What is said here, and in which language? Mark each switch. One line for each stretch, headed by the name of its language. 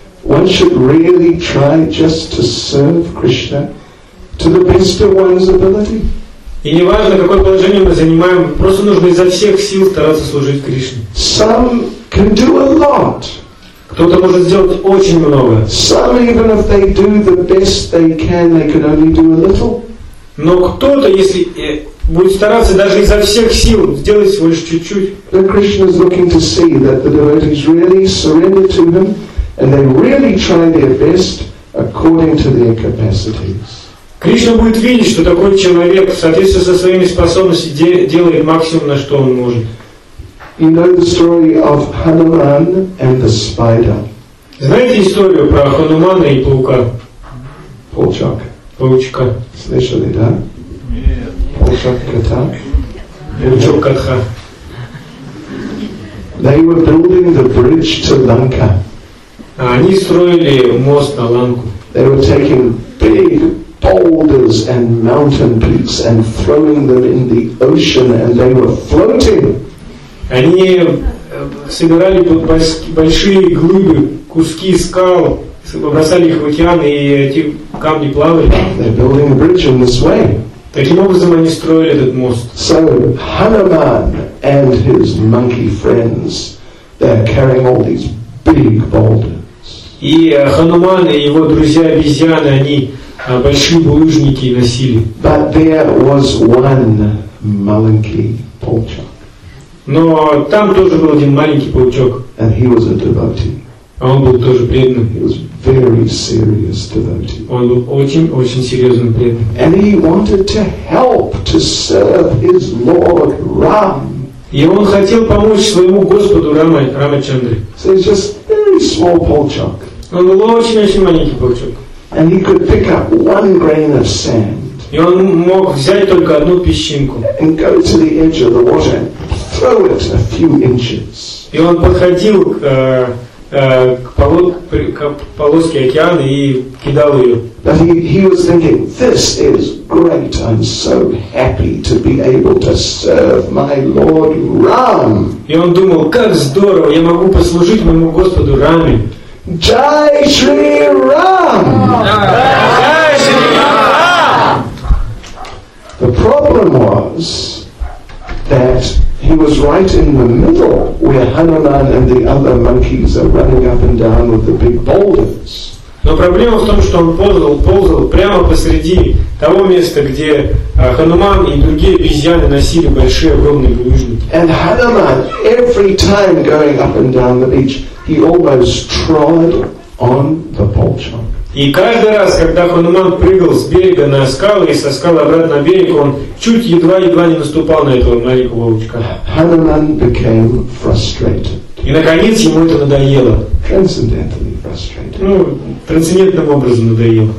English: One should really try just to serve Krishna to the best of one's ability.
Russian: И не важно, какое положение мы занимаем, просто нужно изо всех сил стараться служить Кришне.
English: Some can do a lot.
Russian: Кто-то может сделать очень много.
English: Some, even if they do the best they can only do a little.
Russian: Но кто-то, если будет стараться даже изо всех сил сделать всего лишь чуть-чуть.
English: Then Krishna is looking to see that the devotees really surrender to him and they really try their best according to their capacities.
Russian: Кришна будет видеть, что такой человек в соответствии со своими способностями делает максимум, на что он может.
English: You know the story of Hanuman and the spider.
Russian: Знаете историю про Хануман и паука? Паучок. Паучка. Слышали, да? Паучок-катха.
English: They were building the bridge to Lanka.
Russian: Они строили мост на Ланку.
English: They were taking big boulders and mountain peaks and throwing them in the ocean and they were floating.
Russian: Они собирали под большие глыбы, куски скал, бросали их в океан, и эти камни плавали.
English: They're building a bridge in this way.
Russian: Таким образом они строили этот мост.
English: So Hanuman and his monkey friends, they're carrying all these big boulders.
Russian: И Хануман и его друзья-обезьяны, они большие булыжники носили.
English: But there was one monkey paukchok.
Russian: Но там тоже был один маленький паучок.
English: And he was a devotee.
Russian: А он был тоже преданным.
English: He was very serious devotee.
Russian: Он был очень-очень серьезным преданным.
English: And he wanted to help to serve his Lord Ram.
Russian: И он хотел помочь своему Господу Рамачандре.
English: So he's just very small paukchok.
Russian: Он был очень-очень маленький паучок.
English: And he could pick up one grain of sand.
Russian: И он мог взять только одну песчинку.
English: And go to the edge of the water and throw it a few inches.
Russian: И он подходил к полоске океана и кидал ее.
English: But he was thinking, this is great. I'm so happy to be able to serve my Lord Ram.
Russian: И он думал, как здорово, я могу послужить моему Господу Раме.
Hindi: Jai Shri Ram! Jai Shri Ram!
English: The problem was that he was right in the middle where Hanuman and the other monkeys are running up and down with the big boulders.
Russian: Но проблема в том, что он ползал прямо посреди того места, где Хануман и другие обезьяны носили большие огромные булыжники.
English: And Hanuman, every time going up and down the beach, he almost trod on the polchon.
Russian: И каждый раз, когда Хануман прыгал с берега на скалы и со скалы обратно на берег, он чуть едва-едва не наступал на этого маленького волчка.
English: Hanuman became frustrated.
Russian: И наконец ему это надоело.
English: Transcendentally frustrated.
Russian: Ну, трансцендентным образом надоело.